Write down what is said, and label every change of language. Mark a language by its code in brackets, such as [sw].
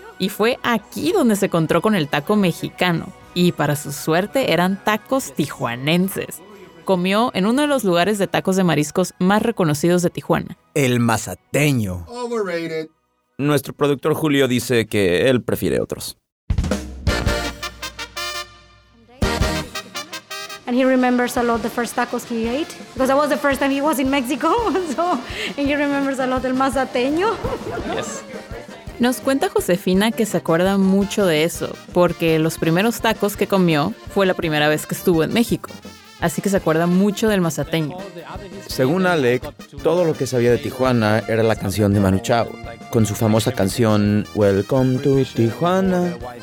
[es] Y fue aquí donde se encontró con el taco mexicano. Y para su suerte eran tacos tijuanenses. comió en uno de los lugares de tacos de mariscos más reconocidos de Tijuana. El Mazateño. [en] Overrated. [es] Nuestro productor Julio dice que él prefiere otros. [en] And he remembers a lot the first tacos he ate because that was the first time he was in Mexico. So, and he remembers a lot el Mazateño. Yes. [es] Nos cuenta Josefina que se acuerda mucho de eso, porque los primeros tacos que comió fue la primera vez que estuvo en México. Así que se acuerda mucho del Mazateño. Según Alec, todo lo que sabía de Tijuana era la canción de Manu Chao, con su famosa canción Welcome to Tijuana.